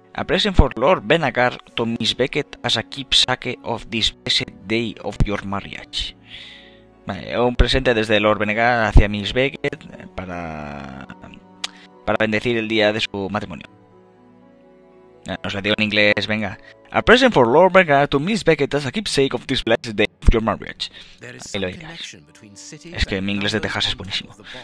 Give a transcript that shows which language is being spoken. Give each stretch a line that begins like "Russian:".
English: A present for Lord Benagar to Miss Beckett as a keepsake of this blessed day of your marriage.
Spanish: Vale, un presente desde Lord Benagar hacia Miss Beckett para bendecir el día de su matrimonio. Os lo digo en inglés, venga.
English: A present for Lord Benagar to Miss Beckett as a keepsake of this blessed day of your marriage.
Spanish: Ahí lo digas. Es que mi inglés de Texas es buenísimo.